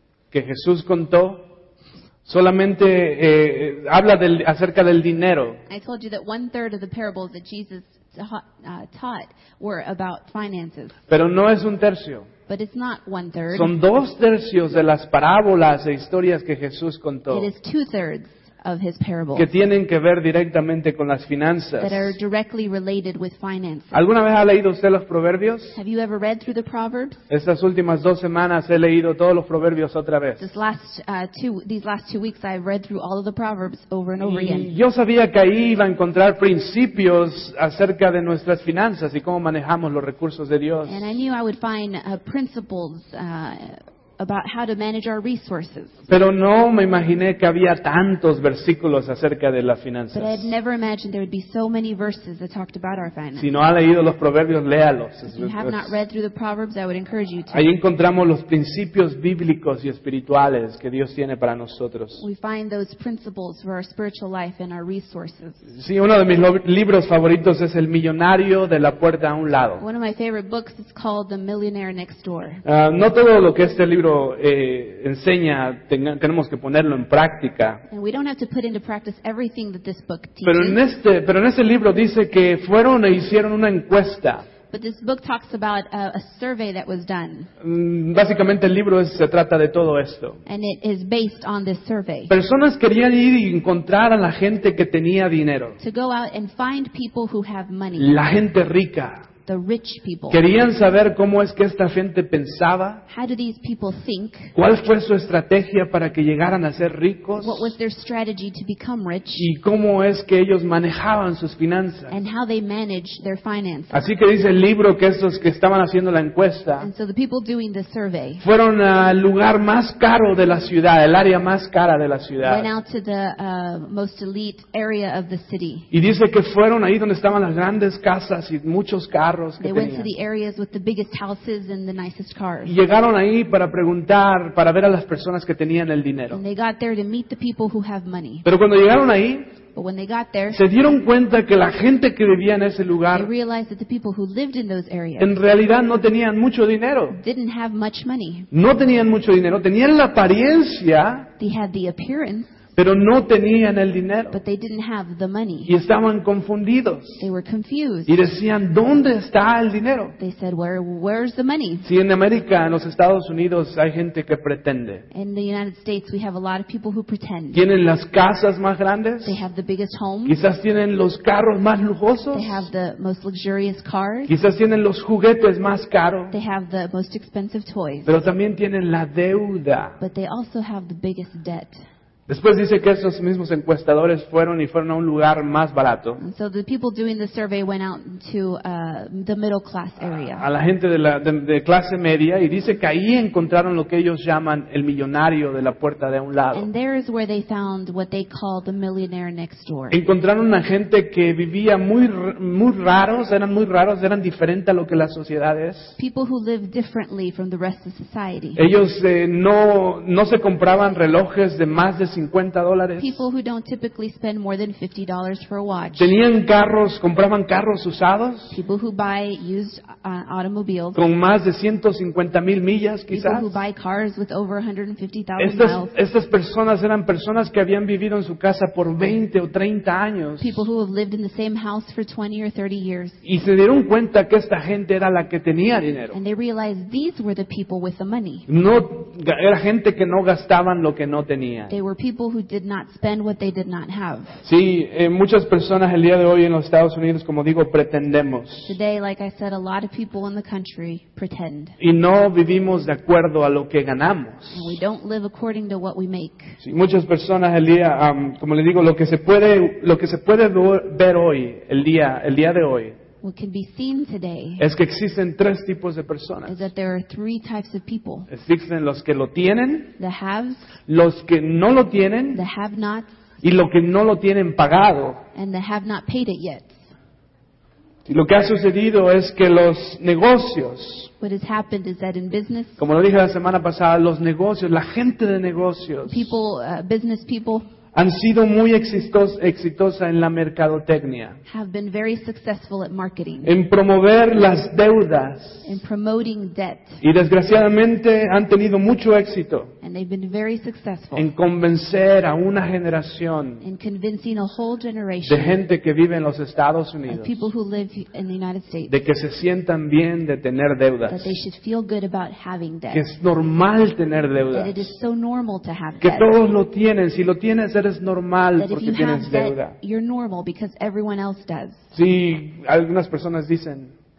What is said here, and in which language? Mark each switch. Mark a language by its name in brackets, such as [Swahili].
[Spanish] Que Jesús contó solamente habla del acerca del dinero. [English] I told you that one third of the parables that Jesus taught were about finances. [Spanish] Pero no es un tercio. [English] But it's not one third. [Spanish] Son dos tercios de las parábolas e historias que Jesús contó. [English] It is two thirds of his parables. [Spanish] Que tienen que ver directamente con las finanzas. [English] That are directly related with finances. [Spanish] ¿Alguna vez ha leído usted los proverbios? [English] Have you ever read through the proverbs? [Spanish] Estas últimas dos semanas he leído todos los proverbios otra vez. [English] These last two weeks I've read through all of the proverbs over and over again. [Spanish] Yo sabía que ahí iba a encontrar principios acerca de nuestras finanzas y cómo manejamos los recursos de Dios. [English] And I knew I would find principles. About how to manage our resources. [Spanish] Pero no me imaginé que había tantos versículos acerca de las finanzas. [English] But I had never imagined there would be so many verses that talked about our finances. [Spanish] Si no ha leído los proverbios, léalos. [English] If you have not read through the proverbs, I would encourage you to. [Spanish] Ahí encontramos los principios bíblicos y espirituales que Dios tiene para nosotros. [English] We find those principles for our spiritual life and our resources. [Spanish] Sí, uno de mis libros favoritos es El Millonario de la Puerta a un Lado. [English] One of my favorite books is called The Millionaire Next Door. [Spanish] No todo lo que este libro libro enseña, tenemos que ponerlo en práctica. [English] And we don't have to put into practice everything that this book teaches. [Spanish] Pero en ese libro dice que fueron e hicieron una encuesta. [English] But this book talks about a survey that was done. [Spanish] Básicamente el libro se trata de todo esto. [English] And it is based on this survey. [Spanish] Personas querían ir y encontrar a la gente que tenía dinero. [English] To go out and find people who have money. [Spanish] La gente rica. [English] The rich people. [Spanish] Querían saber cómo es que esta gente pensaba. [English] How do these people think? [Spanish] ¿Cuál fue su estrategia para que llegaran a ser ricos? [English] What was their strategy to become rich? [Spanish] ¿Y cómo es que ellos manejaban sus finanzas? [English] And how they manage their finances. [Spanish] Así que dice el libro que estos que estaban haciendo la encuesta, [English] and so the people doing the survey, [Spanish] fueron al lugar más caro de la ciudad, el área más cara de la ciudad. [English] Went out to the most elite area of the city. [Spanish] Y dice que fueron ahí donde estaban las grandes casas y muchos carros. [English] They went to the areas with the biggest houses and the nicest cars. [Spanish] Llegaron ahí para preguntar, para ver a las personas que tenían el dinero. [English] And they got there to meet the people who have money. [Spanish] Pero cuando llegaron ahí, [English] but when they got there, [Spanish] se dieron cuenta que la gente que vivía en ese lugar, [English] they realized that the people who lived in those areas, [Spanish] en realidad no tenían mucho dinero. [English] Didn't have much money. [Spanish] No tenían mucho dinero. Tenían la apariencia. [English] They had the appearance. [Spanish] Pero no tenían el dinero. [English] But they didn't have the money. [Spanish] Y estaban confundidos. [English] They were confused. [Spanish] Y decían, ¿dónde está el dinero? [English] They said, where's the money? [Spanish] Sí, en América, en los Estados Unidos, hay gente que pretende. [English] In the United States, we have a lot of people who pretend. [Spanish] Tienen las casas más grandes. [English] They have the biggest homes. [Spanish] Quizás tienen los carros más lujosos. [English] They have the most luxurious cars. [Spanish] Quizás tienen los juguetes más caros. [English] They have the most expensive toys. [Spanish] Pero también tienen la deuda. [English] But they also have the biggest debt. [Spanish] Después dice que esos mismos encuestadores fueron y fueron a un lugar más barato. [English] So the people doing the survey went out to the middle class area. [Spanish] A la gente de clase media, y dice que ahí encontraron lo que ellos llaman el millonario de la puerta de un lado. [English] And there is where they found what they call the millionaire next door. [Spanish] Encontraron a gente que vivía muy muy raros, eran muy raros, eran diferente a lo que la sociedad es. [English] People who live differently from the rest of society. [Spanish] Ellos no se compraban relojes de más de $50. [English] People who don't typically spend more than $50 for a watch. [Spanish] Tenían carros, compraban carros usados. [English] People who buy used automobiles. [Spanish] Con más de 150,000 millas, quizás. [English] People who buy cars with over 150,000 miles. [Spanish] Estas personas eran personas que habían vivido en su casa por 20 o 30 años. [English] People who have lived in the same house for 20 or 30 years. [Spanish] Y se dieron cuenta que esta gente era la que tenía dinero. [English] And they realized these were the people with the money. [Spanish] No, era gente que no gastaban lo que no tenían. [English] They were people who did not spend what they did not have. [Spanish] Sí, muchas personas el día de hoy en los Estados Unidos, como digo, pretendemos. [English] Today, like I said, a lot of people in the country pretend. [Spanish] Y no vivimos de acuerdo a lo que ganamos. [English] And we don't live according to what we make. [Spanish] Sí, muchas personas el día, como le digo, lo que se puede ver hoy, el día de hoy. [English] What can be seen today [Spanish] es que existen tres tipos de personas. [English] Is that there are three types of people. [Spanish] Existen los que lo tienen, [English] the haves, [Spanish] los que no lo tienen, [English] the have nots, [Spanish] y los que no lo tienen pagado. [English] And the have not paid it yet. [Spanish] Y lo que ha sucedido es que los negocios, [English] what has happened is that in business, [Spanish] como lo dije la semana pasada, los negocios, la gente de negocios, [English] people, business people, [Spanish] han sido muy exitosa en la mercadotecnia. [English] Have been very successful at marketing. [Spanish] En promover las deudas. [English] In promoting debt. [Spanish] Y desgraciadamente han tenido mucho éxito. [English] And they've been very successful. [Spanish] En convencer a una generación. [English] In convincing a whole generation. [Spanish] De gente que vive en los Estados Unidos. [English] Of people who live in the United States. [Spanish] De que se sientan bien de tener deudas. [English] That they should feel good about having debt. [Spanish] Que es normal tener deudas. [English] That it is so normal to have debt. [Spanish] Que todos lo tienen. Si lo tienes, eres normal porque tienes deuda. [English] You're normal because everyone else does. [Spanish] Sí, algunas personas dicen.